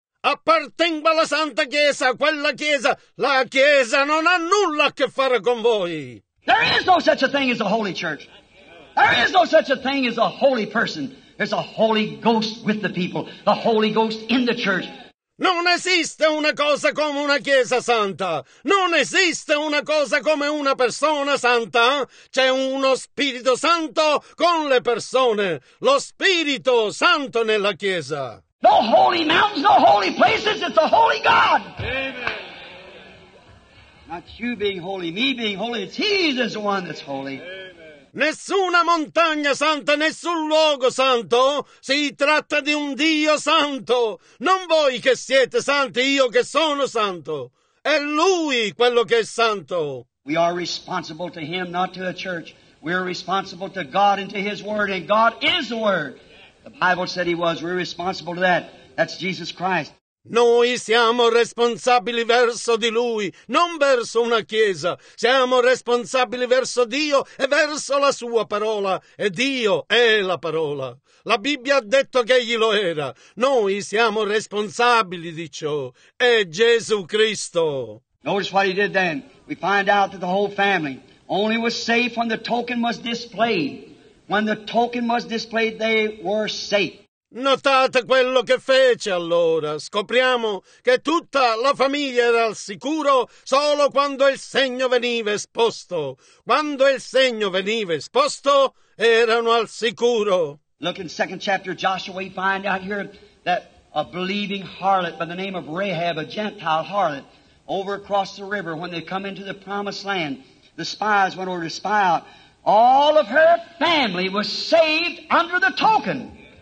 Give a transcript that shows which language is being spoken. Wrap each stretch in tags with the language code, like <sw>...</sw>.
<it>Appartengo alla Santa Chiesa, quella Chiesa. La Chiesa non ha nulla a che fare con voi.</it> <en>There is no such a thing as a holy church. There is no such a thing as a holy person. There's a Holy Ghost with the people, the Holy Ghost in the church.</en> <it>Non esiste una cosa come una Chiesa Santa. Non esiste una cosa come una persona santa. C'è uno Spirito Santo con le persone. Lo Spirito Santo nella Chiesa.</it> <en>No holy mountains, no holy places, it's the Holy God. Amen. Not you being holy, me being holy, it's He that's the one that's holy. Amen.</en> <it>Nessuna montagna santa, nessun luogo santo, si tratta di un Dio santo. Non voi che siete santi, io che sono santo. È Lui quello che è santo.</it> <en>We are responsible to Him, not to the church. We are responsible to God and to His Word, and God is the Word. The Bible said He was. We're responsible to that. That's Jesus Christ.</en> <it>Noi siamo responsabili verso di Lui, non verso una chiesa. Siamo responsabili verso Dio e verso la Sua parola. E Dio è la parola. La Bibbia ha detto che Egli lo era. Noi siamo responsabili di ciò. È Gesù Cristo.</it> <en>Notice what He did then. We find out that the whole family only was safe when the token was displayed. When the token was displayed, they were safe.</en> <it>Notate quello che fece allora. Scopriamo che tutta la famiglia era al sicuro solo quando il segno veniva esposto. Quando il segno veniva esposto, erano al sicuro.</it> <en>Look in the second chapter of Joshua, we find out here that a believing harlot by the name of Rahab, a Gentile harlot, over across the river, when they come into the promised land, the spies went over to spy out. All of her family was saved under the token.</en>